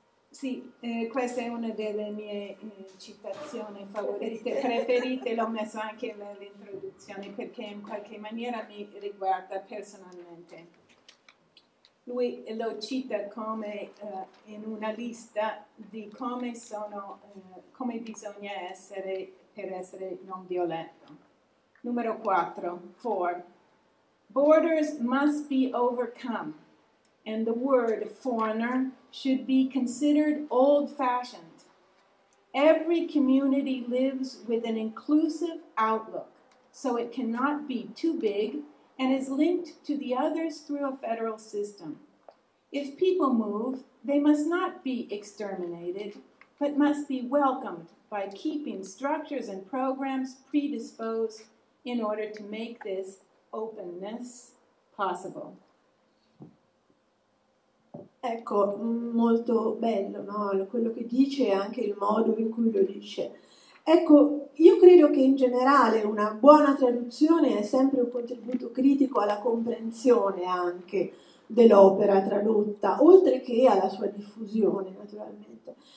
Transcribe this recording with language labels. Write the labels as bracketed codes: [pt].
[it] Sì, questa è una delle mie citazioni favorite, preferite, l'ho messo anche nell'introduzione perché in qualche maniera mi riguarda personalmente. Lui lo cita come in una lista di come sono, come bisogna essere per essere non violento. Numero 4, 4. [en] Borders must be overcome, and the word foreigner should be considered old-fashioned. Every community lives with an inclusive outlook, so it cannot be too big and is linked to the others through a federal system. If people move, they must not be exterminated, but must be welcomed by keeping structures and programs predisposed in order to make this openness possible. [it] Ecco, molto bello, no? Quello che dice e anche il modo in cui lo dice. Ecco, io credo che in generale una buona traduzione è sempre un contributo critico alla comprensione anche dell'opera tradotta, oltre che alla sua diffusione, naturalmente.